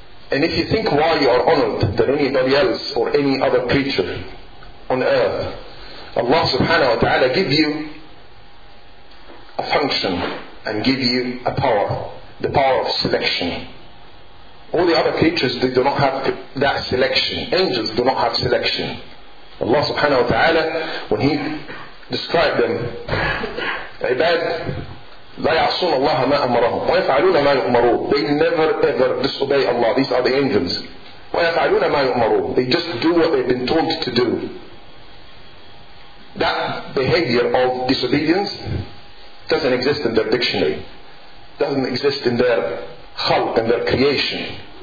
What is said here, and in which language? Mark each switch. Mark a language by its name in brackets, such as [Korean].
[English] And if you think why you are honored than anybody else or any other creature on earth, Allah subhanahu wa ta'ala give you a function and give you a power, the power of selection. All the other creatures, they do not have that selection. Angels do not have selection. Allah subhanahu wa ta'ala, when He described them, [Arabic] عباد لا يعصون الله ما أمرهم ويفعلون ما يؤمرون. [English] They never ever disobey Allah. These are the angels. [Arabic] ويفعلون ما يؤمرون. [English] They just do what they've been told to do. That behavior of disobedience doesn't exist in their dictionary, doesn't exist in their khalq and their creation.